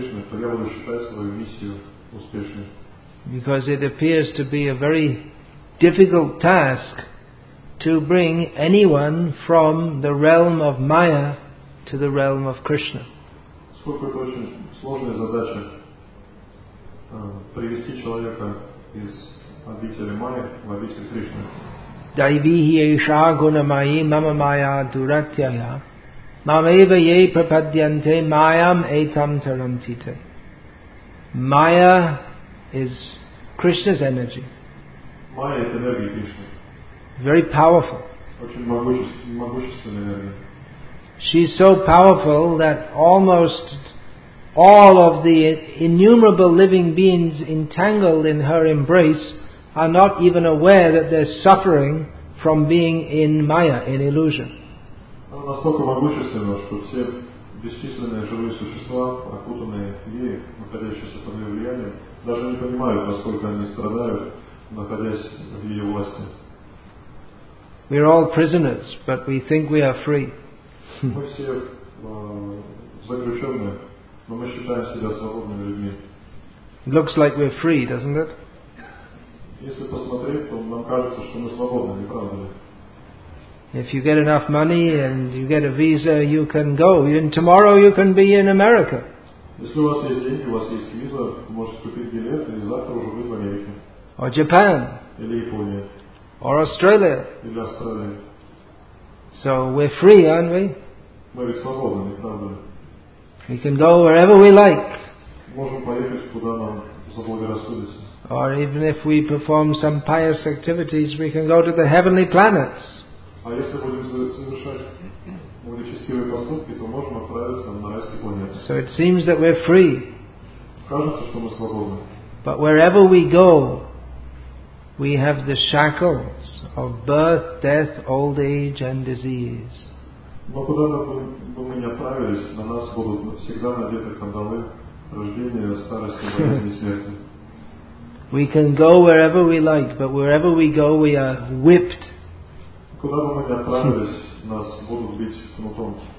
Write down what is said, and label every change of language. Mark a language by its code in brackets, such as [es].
[en] Because it appears to be a very difficult task to bring anyone from the realm of Maya to the realm of Krishna. [ru] Сколько это очень сложная задача привести человека из обители Майя в обитель Кришны. [sa] Дайвихи еша гуна майи мама майя дуратьяя мамэва ей прападьянте майям этам тарантите. [en] Майя is Krishna's energy. [ru] Майя — это энергия Кришны. [en] Very powerful. [ru] Очень могущественная энергия. [en] She's so powerful that almost all of the innumerable living beings entangled in her embrace are not even aware that they're suffering from being in Maya, in illusion. [ru] Она настолько могущественна, что все бесчисленные живые существа, окутанные ей, находящиеся под ее влиянием, даже не понимают, насколько они страдают, находясь в ее власти. [en] We're all prisoners, but we think we are free. [ru] Мы все заключенные, но мы считаем себя свободными людьми. [en] Looks like we're free, doesn't it? [ru] Если посмотреть, то нам кажется, что мы свободны, не правда ли? [en] If you get enough money and you get a visa, you can go. And tomorrow you can be in America. [ru] Если у вас есть деньги, у вас есть виза, можете купить билет, и завтра уже быть в Америке. [en] Or Japan. [ru] Или Япония. [en] Or Australia. [ru] Или Австралия. [en] So we're free, aren't we? [ru] Мы ведь свободны, не правда ли? [en] We can go wherever we like. [ru] Можем поехать куда нам заблагорассудится. [en] Or even if we perform some pious activities, we can go to the heavenly planets. [ru] А если будем совершать благочестивые поступки, то можем отправиться на райские планеты. [en] So it seems that we're free. [ru] Кажется, что мы свободны. [en] But wherever we go, we have the shackles of birth, death, old age and disease. [ru] Но куда бы мы ни отправились, на нас будут всегда надеты кандалы рождения, старости, болезни и смерти. [en] We can go wherever we like, but wherever we go, we are whipped. [ru] Куда бы мы ни отправились, нас будут бить кнутом.